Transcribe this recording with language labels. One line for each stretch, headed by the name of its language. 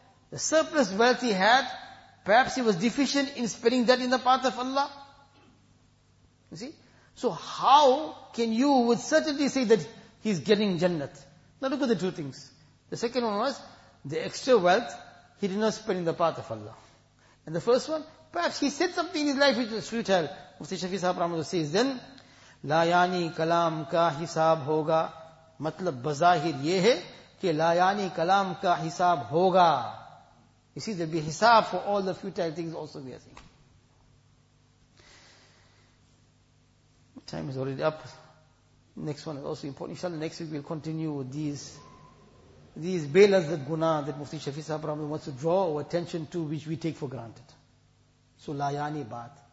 English: The surplus wealth he had, perhaps he was deficient in spending that in the path of Allah. You see? So how can you with certainty say that he's getting Jannat? Now look at the two things. The second one was, the extra wealth, he did not spend in the path of Allah. And the first one, perhaps he said something in his life which was futile.
Urdu: Mufti Shafi Sahib Rahmatullah
English: says, then,
Urdu: لا يعني كلام کا حساب ہوگا مطلب بظاہر یہ ہے کہ لا يعني كلام کا حساب ہوگا.
English: You see, there'll be حساب for all the futile things also we are saying. Time is already up. Next one is also important. Inshallah, next week we'll continue with these belas, the guna that Mufti Shafi Sahib Rahmatullah wants to draw our attention to, which we take for granted. So, layani baat.